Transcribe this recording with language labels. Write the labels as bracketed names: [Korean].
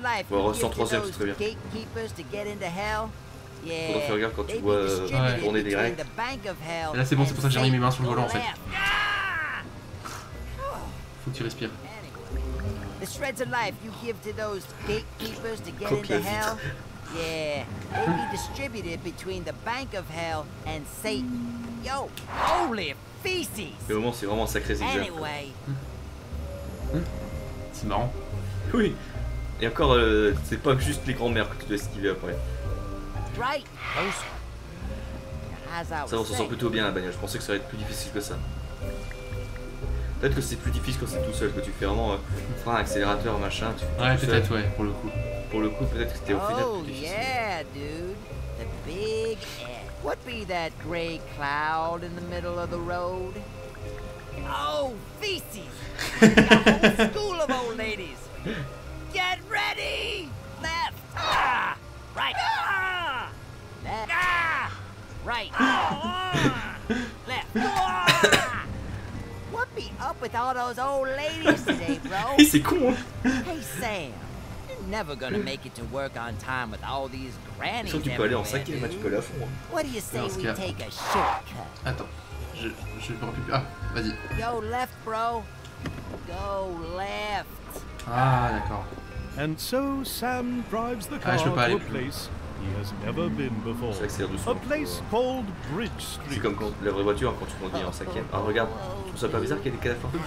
[French] On va rester en 3ème, c'est très bien. Faudrait faire gaffe quand tu vois tourner des règles. Et là, c'est bon, c'est pour ça que j'ai remis mes mains sur le volant en fait. Faut que tu respires. [English] The shreds of life you give to those gatekeepers to get into hell, yeah, they'll be distributed between the bank of hell and Satan. Yo, holy feces! [French] Le moment c'est vraiment sacré, c'est bizarre. Anyway. C'est marrant. Oui. Et encore, c'est pas juste les grands-mères que tu dois esquiver après. Right. Ça, on s'en sort plutôt bien la bagnole. Je pensais que ça allait être plus difficile que ça. Peut-être que c'est plus difficile quand c'est tout seul, que tu fais vraiment frein, accélérateur, machin, tu fais ouais, tout peut-être, seul. Ouais, pour le coup. Pour le coup, peut-être que c'était au final plus difficile. [English] Oh yeah, dude. The big head. What be that gray cloud in the middle of the road? Oh, feces! The whole school of old ladies! Get ready! Left! Ah! Right! Ah! Left! Ah! Right! Ah! Left! Ah! Up with all those old ladies today, bro. [French] C'est con. [English] Hey Sam, you're never gonna make it to work on time with all these grannies. [French] Tu peux aller en 5e, tu peux aller à fond. [English] What do you say we take a shortcut? [French] Attends, je me rappelle plus. Ah, vas-y. [English] Go left, bro. Go left. [French] Ah, d'accord. [English] And so Sam drives the car to a place he has never been before. A place called Bridge Street. [French] C'est comme quand la vraie voiture quand tu conduis en 5e. Ah, regarde. C'est pas bizarre qu'il y ait des cadavres.